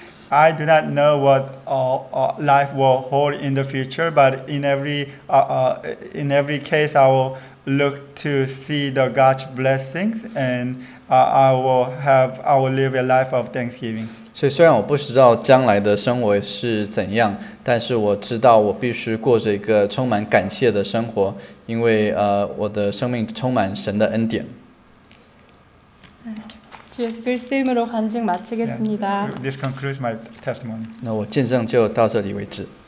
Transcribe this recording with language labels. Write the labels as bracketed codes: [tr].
[en] I do not know what life will hold in the future, but in every case, I will look to see the God's blessings, and I will live a life of thanksgiving. [zh] 所以虽然我不知道将来的生活是怎样，但是我知道我必须过着一个充满感谢的生活，因为我的生命充满神的恩典。 [ko] 주의 글쓰임으로 간증 마치겠습니다. [en] Yeah, this concludes my testimony. [zh] 那我见证就到这里为止。